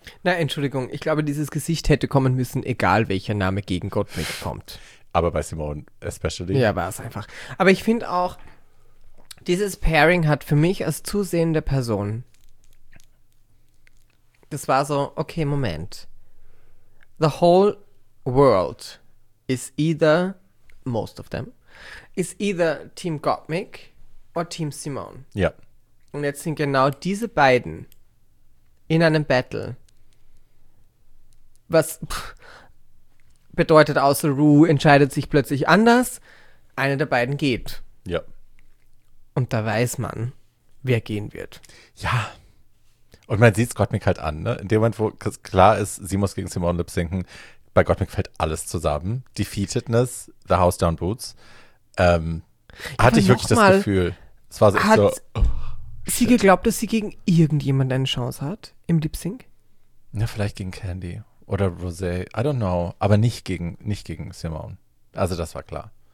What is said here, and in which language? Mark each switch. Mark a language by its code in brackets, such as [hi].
[de] Na, Entschuldigung, ich glaube, dieses Gesicht hätte kommen müssen, egal welcher Name gegen Gottmik kommt. Aber bei Simone especially. Ja, war es einfach. Aber ich finde auch, dieses Pairing hat für mich als zusehende Person, das war so, okay, Moment. [en] The whole world is either... most of them, is either Team Gottmik or Team Simone. [de] Ja. Und jetzt sind genau diese beiden in einem Battle, was bedeutet, außer Rue entscheidet sich plötzlich anders, eine der beiden geht. Ja. Und da weiß man, wer gehen wird. Ja. Und man sieht es Gottmik halt an, ne? In dem Moment, wo klar ist, sie muss gegen Simone lip-sinken, bei Gottmik fällt alles zusammen. [en] Defeatedness, The House Down Boots. [de] Hatte ich wirklich das Gefühl. Es war so, hat so, oh, sie geglaubt, dass sie gegen irgendjemanden eine Chance hat im Lip Sync? Na, vielleicht gegen Candy oder Rosé. [en] I don't know. [de] Aber nicht gegen Simone. Also das war klar.